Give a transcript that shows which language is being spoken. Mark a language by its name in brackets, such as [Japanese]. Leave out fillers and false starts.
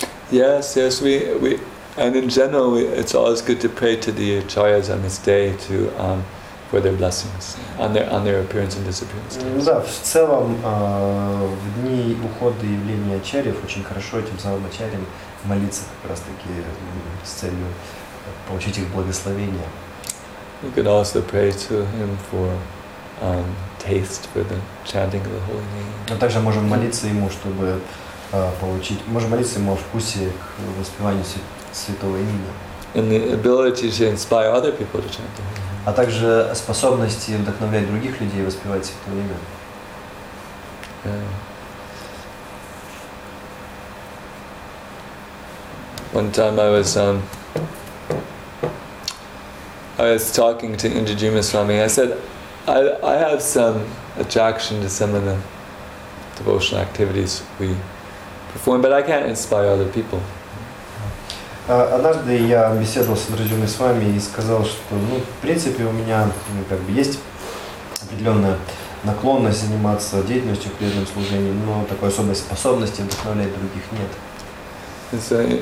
[English] Yes, we, and in general, it's always good to pray to the acharyas on this day to. For their blessings and their appearance and disappearance. [Russian] Да, в целом в дни ухода и явления ачарьев очень хорошо этим самым ачарьям молиться как раз таки с целью получить их благословение. [English] You could also pray to him for taste for the chanting of the holy name. [Russian] Но также можем молиться ему, чтобы получить, можем молиться ему о вкусе к воспеванию святого имени. [English] And the ability to inspire other people to chant the holy name. [Russian] А также способности вдохновлять других людей воспевать святое имя. [English] Yeah. One time I was talking to Indrajima Swami. I said, I have some attraction to some of the devotional activities we perform, but I can't inspire other people. [Russian] Однажды я беседовал с Индраджимой с вами и сказал, что, ну, в принципе, у меня, ну, как бы есть определенная наклонность заниматься деятельностью, преданным служением, но такой особой способности вдохновлять других нет.